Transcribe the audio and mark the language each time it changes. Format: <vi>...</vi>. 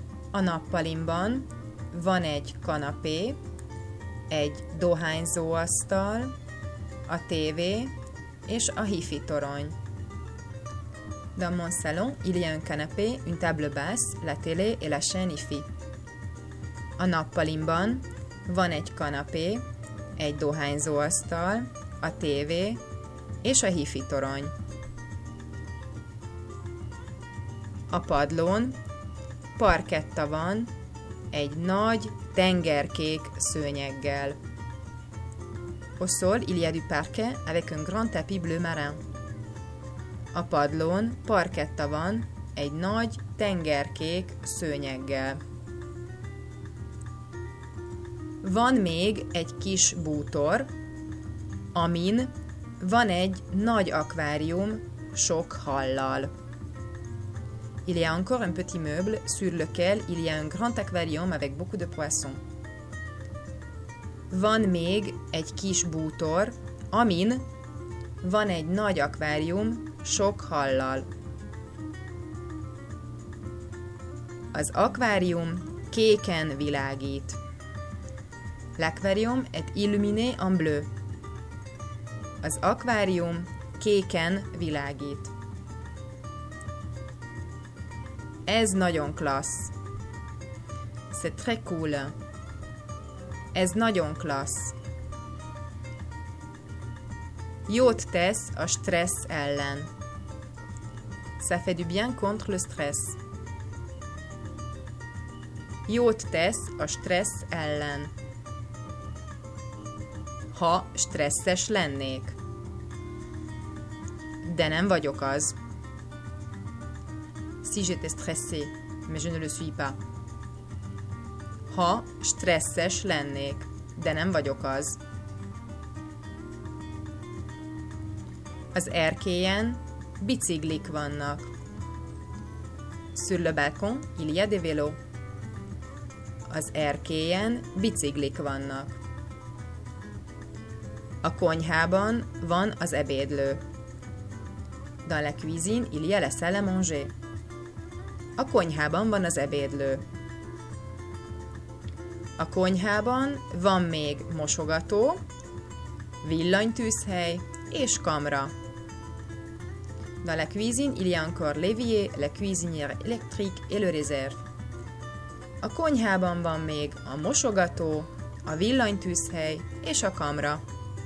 <hu>A nappalimban van egy kanapé, egy dohányzóasztal, a tévé és a hifi torony.</hu> <fr>Dans mon salon, il y a un canapé, une table basse, la télé et la chaîne hifi.</fr> <hu>A nappalimban van egy kanapé, egy dohányzóasztal, a tévé és a hifi torony. A padlón parketta van egy nagy tengerkék szőnyeggel.</hu> <fr>Au sol, il y a du parquet avec un grand tapis bleu marin.</fr> <hu>A padlón parketta van egy nagy tengerkék szőnyeggel. Van még egy kis bútor, amin van egy nagy akvárium sok hallal.</hu> <fr>Il y a encore un petit meuble sur lequel il y a un grand aquarium avec beaucoup de poissons.</fr> <hu>Van még egy kis bútor, amin van egy nagy akvárium sok hallal. Az akvárium kéken világít.</hu> <fr>L'aquarium est illuminé en bleu.</fr> <hu>Az akvárium kéken világít. Ez nagyon klassz.</hu> <fr>C'est très cool.</fr> <hu>Ez nagyon klassz. Jót tesz a stressz ellen.</hu> <fr>Ça fait du bien contre le stress.</fr> <hu>Jót tesz a stressz ellen. Ha stresszes lennék. De nem vagyok az.</hu> <fr>Si j'étais stressé, mais je ne le suis pas.</fr> <hu>Ha stresszes lennék, de nem vagyok az. Az erkélyen biciklik vannak.</hu> <fr>Sur le balcon, il y a des vélos.</fr> <hu>Az erkélyen biciklik vannak. A konyhában van az ebédlő.</hu> <fr>Dans la cuisine, il y a la salle à manger.</fr> <hu>A konyhában van az ebédlő. A konyhában van még mosogató, villanytűzhely és kamra.</hu> <fr>Dans la cuisine, il y a encore l'évier, la cuisinière électrique et le réserve.</fr> <hu>A konyhában van még a mosogató, a villanytűzhely és a kamra.</hu>